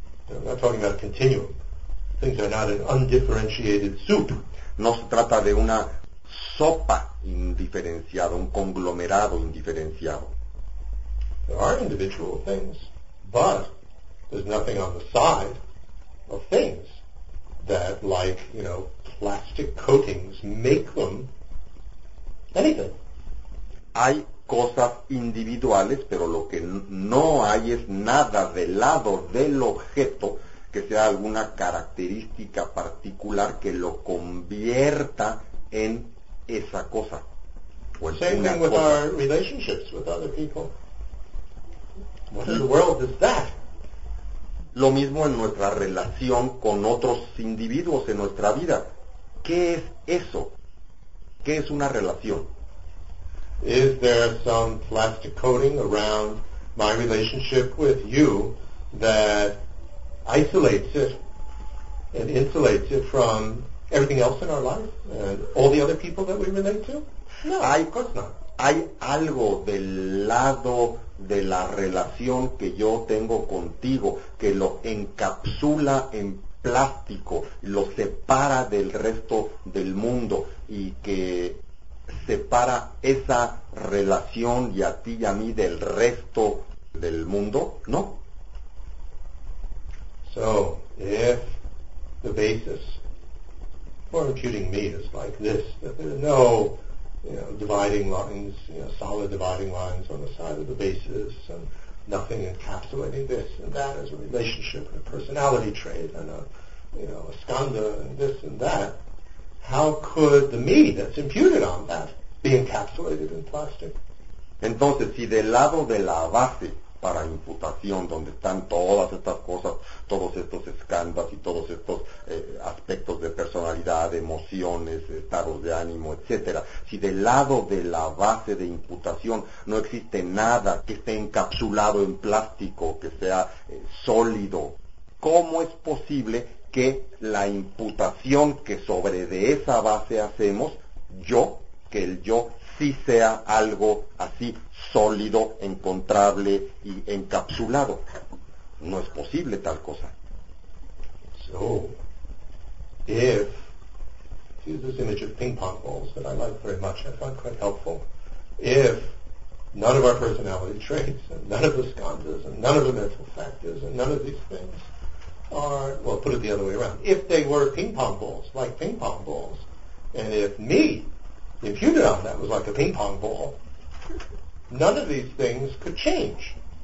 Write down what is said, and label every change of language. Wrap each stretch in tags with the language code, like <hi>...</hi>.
<en>I'm not talking about continuum. Things are not an undifferentiated soup.</en> <es>No se trata de una sopa indiferenciada, un conglomerado indiferenciado.</es> <en>There are individual things, but there's nothing on the side of things that, like, you know, plastic coatings make them anything.</en> <es>Hay cosas individuales, pero lo que no hay es nada del lado del objeto que sea alguna característica particular que lo convierta en esa cosa.</es> <en>Our relationships with other people. What in the world is that?</en> <es>Lo mismo en nuestra relación con otros individuos en nuestra vida. ¿Qué es eso? ¿Qué es una relación?</es> <en>Is there some plastic coating around my relationship with you that isolates it and insulates it from everything else in our life and all the other people that we relate to?</en> <es>No, hay,</es> <en>of course not.</en> <es>Hay algo del lado de la relación que yo tengo contigo que lo encapsula en plástico, lo separa del resto del mundo y que separa esa relación y a ti y a mí del resto del mundo, ¿no?</es> <en>So, if the basis for imputing me is like this, no, you know, dividing lines, you know, solid dividing lines on the side of the basis, and nothing encapsulating this and that as a relationship and a personality trait and a, you know, a skanda and this and that, how could the me that's imputed on that be encapsulated in plastic?</en> <es>Entonces, si del lado de la base para imputación, donde están todas estas cosas, todos estos escandas y todos estos aspectos de personalidad, emociones, estados de ánimo, etcétera. Si del lado de la base de imputación no existe nada que esté encapsulado en plástico, que sea sólido, ¿cómo es posible que la imputación que sobre de esa base hacemos, yo, que el yo, sí sea algo así sólido, encontrable y encapsulado? No es posible tal cosa.</es> <en>So, if, to use this image of ping pong balls that I like very much, I find quite helpful, if none of our personality traits, and none of the skandhas, and none of the mental factors, and none of these things are, well, put it the other way around, if they were ping pong balls, like ping pong balls, and if me, imputed on that was like a ping pong ball, none of these things could change.</en>